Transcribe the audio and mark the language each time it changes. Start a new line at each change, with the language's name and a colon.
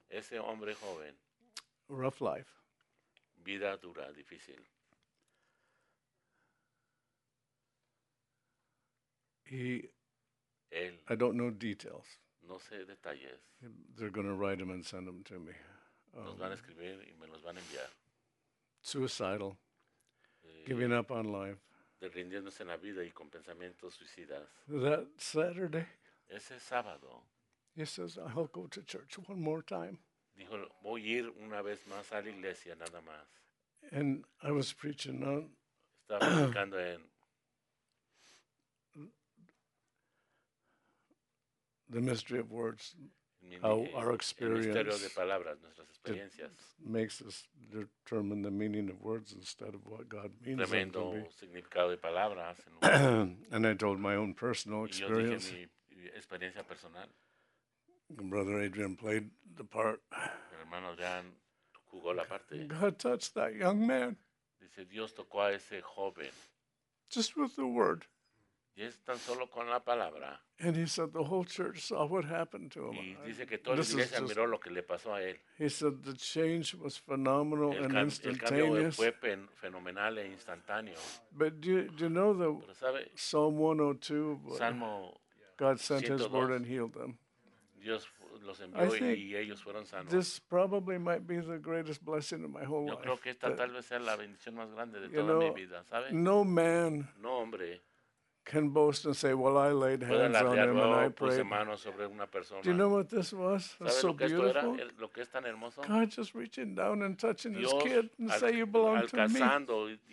Spanish: ese hombre joven,
English: rough life.
Spanish: Vida dura, difícil.
English: He,
Spanish: él,
English: I don't know details.
Spanish: No sé detalles.
English: They're going to write him and send them to me.
Spanish: Los van a escribir y me los van a enviar.
English: Suicidal. Giving up on life.
Spanish: De rindiéndose en la vida y con pensamientos suicidas.
English: That Saturday,
Spanish: ese sábado,
English: he says, I'll go to church one more time.
Spanish: Dijo, voy a ir una vez más a la iglesia, nada más.
English: And I was preaching on,
Spanish: estaba predicando en
English: the mystery of words, how our experience,
Spanish: el misterio de palabras, nuestras experiencias,
English: makes us determine the meaning of words instead of what God means.
Spanish: Tremendo significado de palabras.
English: And I told my own personal experience.
Spanish: Y yo dije mi experiencia personal.
English: Brother Adrian played the part.
Spanish: Mi hermano Adrian jugó la parte.
English: God touched that young man.
Spanish: Dice Dios tocó a ese joven.
English: Just with the word.
Spanish: Y es tan solo con la palabra.
English: And he said the whole church saw what happened to him.
Spanish: Y dice que toda la iglesia miró lo que le pasó a él.
English: He said the change was phenomenal and instantaneous.
Spanish: El cambio fue fenomenal e instantáneo.
English: But do you know the Psalm 102?
Spanish: Salmo
English: God sent his word and healed them.
Spanish: Dios los envió y ellos fueron sanos.
English: This probably might be the greatest blessing in my whole life.
Spanish: Yo creo que esta tal vez sea la bendición más grande de toda mi vida, ¿sabe?
English: No man.
Spanish: No hombre.
English: Can boast and say, well, I laid hands on him and I prayed. Do you know what this was? It's so beautiful. God just reaching down and touching
Spanish: Dios
English: his kid and say, you belong to me.